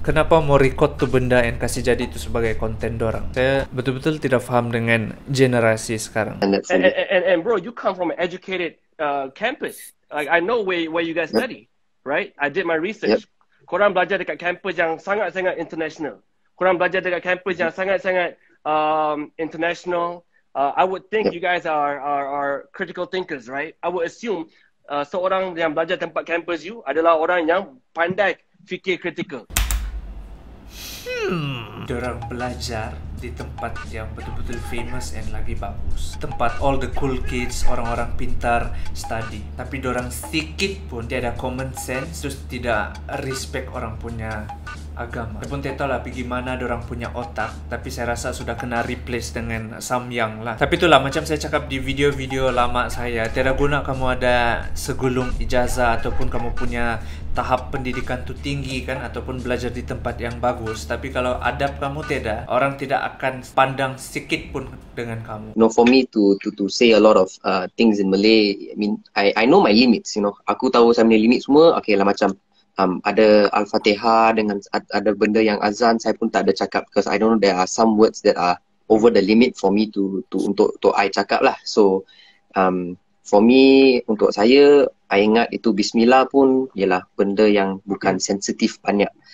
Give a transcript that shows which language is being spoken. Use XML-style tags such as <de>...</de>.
<ms>Kenapa mau record tu benda yang kasih jadi itu sebagai konten dorang? Saya betul-betul tidak faham dengan generasi sekarang.</ms> <en>And bro, you come from an educated campus. Like I know where you guys study, right? I did my research. Yep.</en> <ms>Korang belajar dekat campus yang sangat-sangat international. Korang belajar dekat campus yang sangat-sangat international.</ms> <en>I would think you guys are critical thinkers, right? I would assume</en> <ms>seorang yang belajar tempat campus you adalah orang yang pandai fikir critical. Diorang belajar di tempat yang betul-betul famous</ms> <en>and</en> <ms>lagi bagus. Tempat</ms> <en>all the cool kids,</en> <ms>orang-orang pintar study. Tapi diorang sedikit pun tiada common sense, terus tidak respect orang punya agama. Tapi pun tahu lah bagaimana diorang punya otak. Tapi saya rasa sudah kena replace dengan Samyang lah. Tapi itulah macam saya cakap di video-video lama saya, tiada guna kamu ada segulung ijazah ataupun kamu punya tahap pendidikan tu tinggi kan, ataupun belajar di tempat yang bagus. Tapi kalau adab kamu tiada, orang tidak akan pandang sedikit pun dengan kamu.</ms> <en>No, for me to say a lot of things in Malay, I mean I know my limits, you know.</en> <ms>Aku tahu saya punya limit semua. Okay lah, macam ada Al-Fatihah dengan ada benda yang azan, saya pun tak ada cakap</ms> <en>because I don't know, there are some words that are over the limit for me</en> <ms>untuk I cakap lah.</ms> <en>So for me,</en> <ms>untuk saya, I ingat itu Bismillah pun ialah benda yang bukan sensitif banyak.</ms>